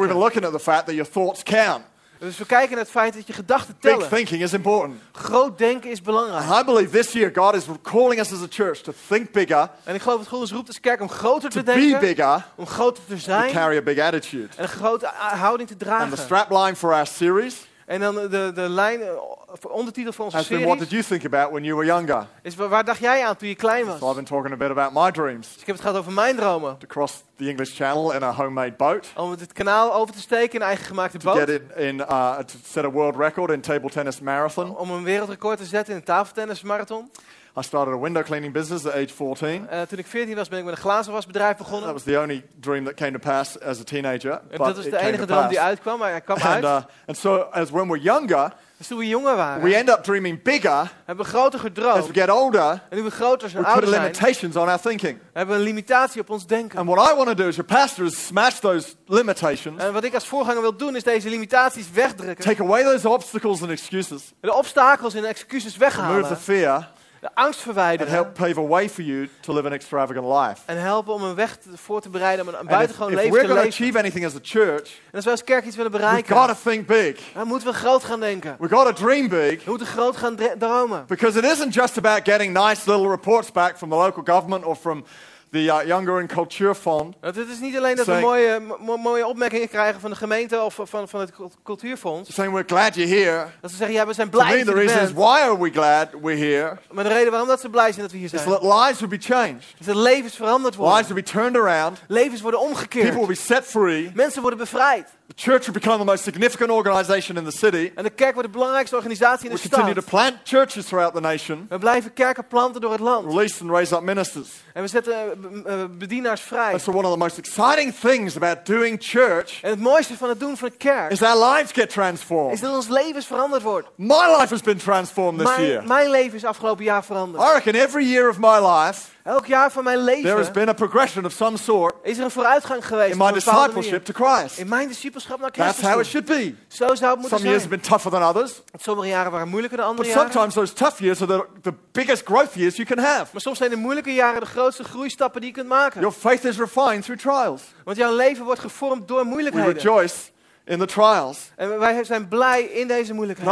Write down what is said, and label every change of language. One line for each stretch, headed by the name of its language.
English: So we're looking at the fact that your thoughts count.
Dutch: Dus we kijken naar het feit dat je gedachten tellen.
English: Big thinking is important.
Dutch: Groot denken is belangrijk.
English: And I believe this year God is calling us as a church to think bigger.
Dutch: En ik geloof dat God ons roept als kerk om groter te denken.
English: To be bigger.
Dutch: Om groter te zijn.
English: To carry a big attitude.
Dutch: En een grote houding te dragen.
English: And the strapline for our series.
Dutch: En dan de lijn, ondertitel voor onze
English: has
Dutch: series.
English: Been, what did you think about when you were younger?
Dutch: Is waar dacht jij aan toen je klein was?
English: So I've been talking a bit about my dreams.
Dutch: Dus ik heb het gehad over mijn dromen.
English: To cross the English Channel in a homemade boat.
Dutch: Om het kanaal over te steken in een eigen gemaakte
English: to
Dutch: boot.
English: Get to set a world record in table tennis marathon.
Dutch: Om een wereldrecord te zetten in een tafeltennis marathon.
English: I started a window cleaning business at age 14.
Dutch: Toen ik 14 was, ben ik met een glazenwasbedrijf begonnen.
English: That was the only dream that came to pass as a teenager.
Dutch: Dat was de enige droom die uitkwam, maar hij kwam uit.
English: And so, as when we're younger,
Dutch: dus toen we jonger waren,
English: we end up dreaming bigger.
Dutch: Hebben we groter gedroomd.
English: As we get older,
Dutch: en nu we groter zijn,
English: we put limitations on our thinking.
Dutch: Hebben we een limitatie op ons denken.
English: And what I want to do as your pastor is smash those limitations.
Dutch: En wat ik als voorganger wil doen is deze limitaties wegdrukken.
English: Take away those obstacles and excuses.
Dutch: De obstakels en excuses weghalen.
English: Remove the fear.
Dutch: De angst verwijderen.
English: And help pave a way for you to live an extravagant life.
Dutch: En helpen om een weg voor te bereiden om een buitengewoon leven te leven.
English: If we're going to achieve anything as a church,
Dutch: en als wij als kerk iets willen bereiken,
English: we've got to think big.
Dutch: Dan moeten we groot gaan denken.
English: We've got to dream big.
Dutch: We moeten groot gaan dromen.
English: Because it isn't just about getting nice little reports back from the local government or from the Younger and Culture Fund.
Dutch: Het is niet alleen dat saying, we mooie opmerkingen krijgen van de gemeente of van het cultuurfonds.
English: Saying we're glad you're here.
Dutch: Dat ze zeggen ja, we zijn blij dat je bent.
English: The reason is why are we glad we're here?
Dutch: Maar de reden waarom dat ze blij zijn dat we hier zijn.
English: Is that lives will be changed.
Dutch: Dat levens veranderd worden.
English: Lives will be turned around.
Dutch: Levens worden omgekeerd.
English: People will be set free.
Dutch: Mensen worden bevrijd.
English: The church will become the most significant organization in the city.
Dutch: En de kerk wordt de belangrijkste organisatie in de stad.
English: We continue to plant churches throughout the nation.
Dutch: We blijven kerken planten door het land.
English: Release and raise up ministers.
Dutch: En we zetten bedienaars vrij.
English: That's one of the most exciting things about doing church.
Dutch: En het mooiste van het doen van de kerk
English: is our lives get transformed.
Dutch: Is dat ons levens veranderd wordt.
English: My life has been transformed this year.
Dutch: Mijn leven is afgelopen jaar veranderd.
English: I reckon every year of my life.
Dutch: Elk jaar van mijn leven.
English: There has been a progression of some sort.
Dutch: Is er een vooruitgang geweest
English: in my discipleship to Christ.
Dutch: In mijn discipelschap naar
English: Christus. That's how it should be.
Dutch: Zo zou het moeten zijn.
English: Some years have been tougher than others.
Dutch: Sommige jaren waren moeilijker dan andere jaren.
English: But sometimes those tough years are the biggest growth years you can have.
Dutch: Maar soms zijn de moeilijke jaren de grootste groeistappen die je kunt maken.
English: Your faith is refined through trials.
Dutch: Want jouw leven wordt gevormd door moeilijkheden.
English: We rejoice in the trials.
Dutch: En wij zijn blij in deze moeilijkheden.